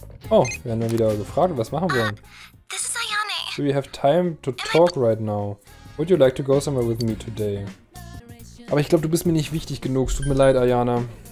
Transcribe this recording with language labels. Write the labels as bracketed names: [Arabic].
[German] Oh, wir haben wieder gefragt, was machen wir? [English] This is Ayane. Do we have time to talk right now? Would you like to go somewhere with me today? [German] Aber ich glaube, du bist mir nicht wichtig genug. Es tut mir leid, Ayane.